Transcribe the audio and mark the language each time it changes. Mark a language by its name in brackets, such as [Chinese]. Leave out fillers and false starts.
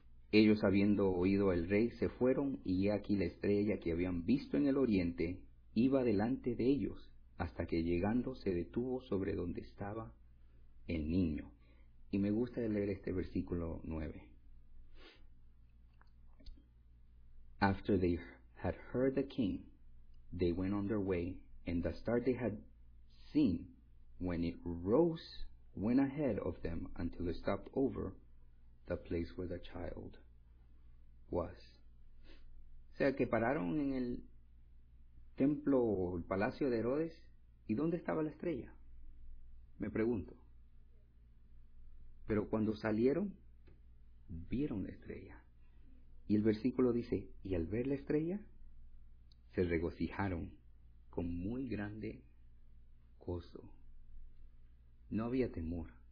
[Spanish] Ellos, habiendo oído al rey, se fueron, y he aquí la estrella que habían visto en el oriente iba delante de ellos, hasta que llegando se detuvo sobre donde estaba el niño. Y me gusta leer este versículo 9. [English] After they had heard the king, they went on their way, and the star they had seen when it rose went ahead of them until it stopped over the place where the child was. [Spanish] O sea, que pararon en el templo o el palacio de Herodes. ¿Y dónde estaba la estrella? Me pregunto. Pero cuando salieron, vieron la estrella. Y el versículo dice, y al ver la estrella, se regocijaron con muy grande gozo. No había temor.